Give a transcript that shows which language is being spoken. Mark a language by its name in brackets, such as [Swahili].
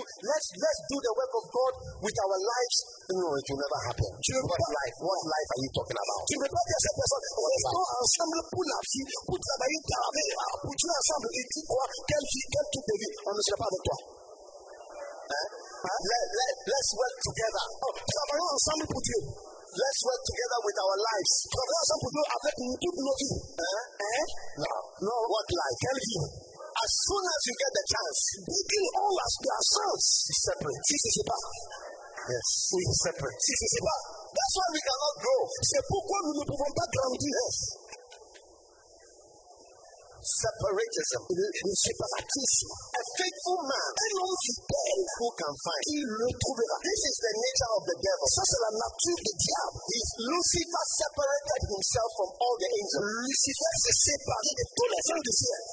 [English] Let's do the work of God with our lives. No, it will never happen. What life are you talking about? [French] Tu ne peux pas dire à cette personne, restons ensemble pour la vie, pour travailler, car avec la vie, pour jouer ensemble, et dis quoi, quelle vie, quel type de vie, on ne sera pas avec toi. [English] Hein? Let's work together. [French] Oh, travaillons ensemble pour Dieu. [English] Let's work together with our lives. [French] Travaillons ensemble pour Dieu avec toute notre vie. Hein? [English] No. What life? [French] Quelle vie? [English] As soon as you get the chance, begin all as yourselves. Separate. [French] Si, c'est pas. [English] Yes. [French] Oui, separate. Si, c'est pas. [English] That's why we cannot grow. [French] C'est pourquoi nous ne pouvons pas grandir. [English] Yes. Separatism. [French] Le séparatisme. [English] A faithful man. [French] Un homme fidèle. [English] Who can find? [French] Il le trouvera. [English] This is the nature of the devil. [French] Ça, c'est la nature du diable. [English] He's Lucifer separated himself from all the angels. [French] Lucifer s'est séparé de tous les gens du ciel.